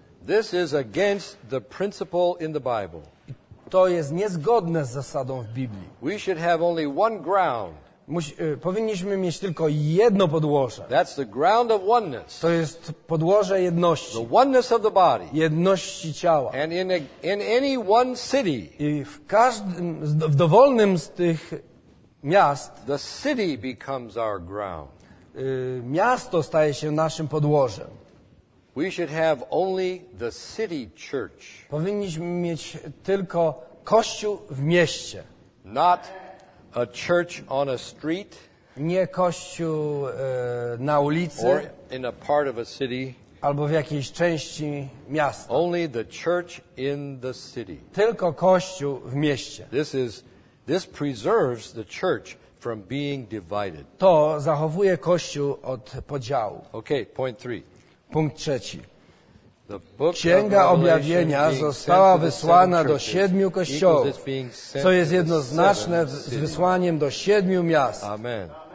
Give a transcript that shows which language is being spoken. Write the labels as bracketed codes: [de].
[en] This is against the principle in the Bible. [pl] To jest niezgodne z zasadą w Biblii. [en] We should have only one ground. [pl] Powinniśmy mieć tylko jedno podłoże. [en] That's the ground of oneness. [pl] To jest podłoże jedności. [en] The oneness of the body. [pl] Jedności ciała. [en] And in any one city. [pl] I w każdym, w dowolnym z tych miast. [en] The city becomes our ground. [pl] Miasto staje się naszym podłożem. [en] We should have only the city church. [pl] Powinniśmy mieć tylko kościół w mieście. [en] Not a church on a street, [pl] nie kościół na ulicy, [en] or in a part of a city, [pl] albo w jakiejś części miasta. [en] Only the church in the city. [pl] Tylko kościół w mieście. [en] This preserves the church from being divided. [pl] To zachowuje kościół od podziału. [en] Okay, point three. [pl] Punkt trzeci. Księga Objawienia została wysłana do siedmiu kościołów, co jest jednoznaczne z wysłaniem do siedmiu miast. Amen.